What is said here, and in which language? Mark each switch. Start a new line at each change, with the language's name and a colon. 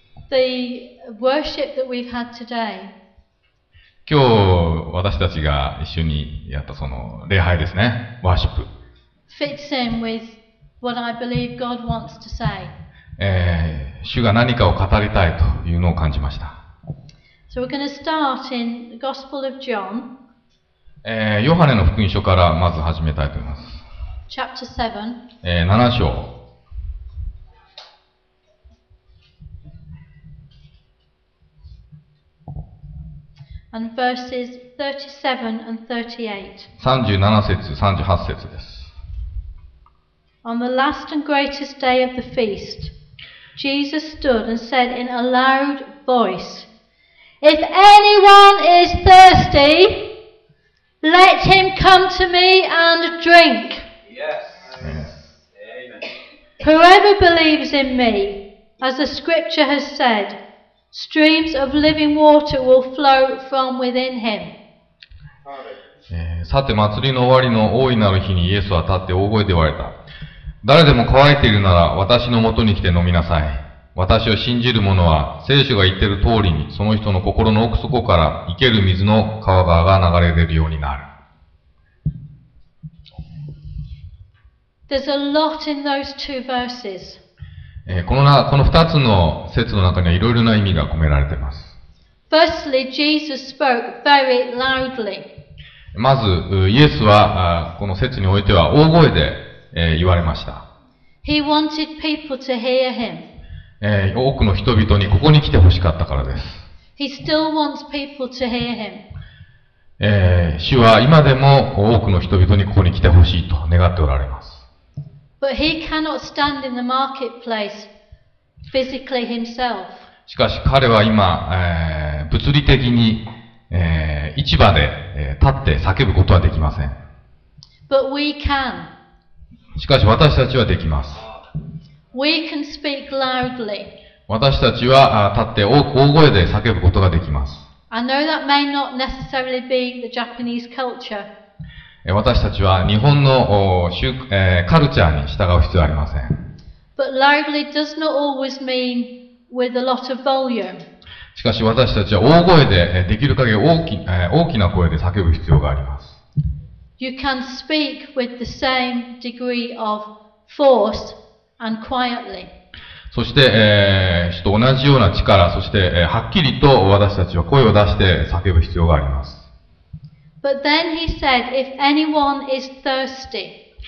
English: The worship that we've had today.
Japanese: 今日私たちが一緒にやったその礼拝ですね。ワーシップ。
English: Fits in with what I believe God wants to say.
Japanese: 主が何かを語りたいというのを感じました。
English: So we're going to start in the Gospel of John.
Japanese: ヨハネの福音書からまず始めたいと思います。
English: Chapter 7.
Japanese: 7章。
English: And verses 37 and 38.
Japanese: 37節、38節です。
English: On the last and greatest day of the feast, Jesus stood and said in a loud voice,If anyone is thirsty, let him come to me and drink. Yes. Amen. Whoever believes in me, as the scripture has said, streams of living water will flow from within him.
Japanese: さて、祭りの終わりの大いなる日にイエスは立って大声で言われた。誰でも渇いているなら私のもとに来て飲みなさい。私を信じる者は、聖書が言っている通りに、その人の心の奥底から生ける水の川川が流れ出るようになる。
English: There's a lot in those two verses.
Japanese: この二つの説の中にはいろいろな意味が込められています。
English: Firstly, Jesus spoke very loudly.
Japanese: まず、イエスは、この説においては大声で、言われました。
English: He wanted people to hear him.
Japanese: 多くの人々にここに来てほしかったからです。
English: He still wants people to hear him.
Japanese: 主は今でも多くの人々にここに来てほしいと願っておられます。
English: But he cannot stand in the marketplace physically himself.
Japanese: しかし彼は今、物理的に、市場で、立って叫ぶことはできません。
English: But we can.
Japanese: しかし私たちはできます。
English: We can speak loudly.
Japanese: 私たちは立って大声で叫ぶことができます。
English: I know that may not necessarily be the Japanese culture.
Japanese: 私たちは日本のカルチャーに従う必要はありません。
English: But loudly does not always mean with a lot of volume.
Japanese: しかし私たちは大声でできる限り大きな声で叫ぶ必要があります。
English: You can speak with the same degree of force. And quietly.
Japanese: そして、ちょっと同じような力、そして、はっきりと私たちは声を出して叫ぶ必要があります。
English: But then he said, if anyone is thirsty.